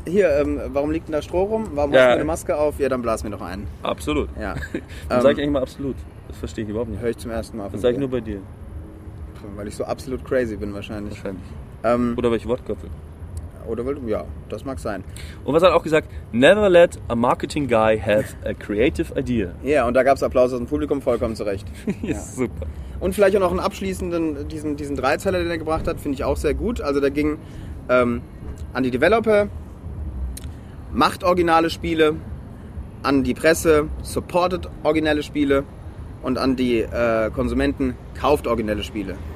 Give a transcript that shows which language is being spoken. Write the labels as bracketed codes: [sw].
[de] Hier, warum liegt denn da Stroh rum? Warum hast du eine Maske auf? Ja, dann blas mir doch einen. Absolut. Ja. Dann sage ich eigentlich mal absolut. Das verstehe ich überhaupt nicht. Hör ich zum ersten Mal. Das sage ich nur bei dir. Weil ich so absolut crazy bin wahrscheinlich. Oder weil ich Wortköpfe. Oder weil du, ja, das mag sein. Und was hat er auch gesagt? [en] Never let a marketing guy have a creative idea. [de] Ja, und da gab es Applaus aus dem Publikum, vollkommen zu Recht. Ja. Super. Und vielleicht auch noch einen abschließenden, diesen Dreizeiler, den er gebracht hat, finde ich auch sehr gut. Also da ging an die Developer, macht originale Spiele, an die Presse, supportet originelle Spiele und an die Konsumenten, kauft originelle Spiele.